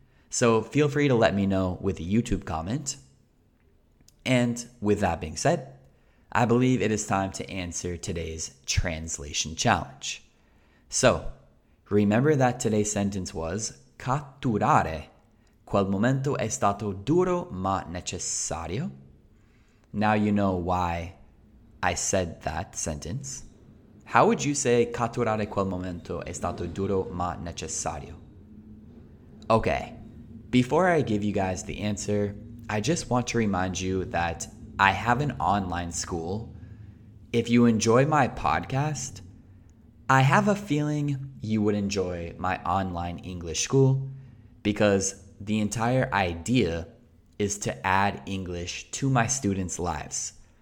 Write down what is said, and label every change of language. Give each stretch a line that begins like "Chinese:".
English: So feel free to let me know with a YouTube comment. And with that being said, I believe it is time to answer today's translation challenge. So remember that today's sentence was
Italian: catturare. Quel momento è stato duro ma necessario.
English: Now you know why I said that sentence. How would you say
Italian: catturare quel momento è stato duro ma necessario?
English: Okay, before I give you guys the answer, I just want to remind you that I have an online school. If you enjoy my podcast, I have a feeling you would enjoy my online English school because the entire idea is to add English to my students' lives.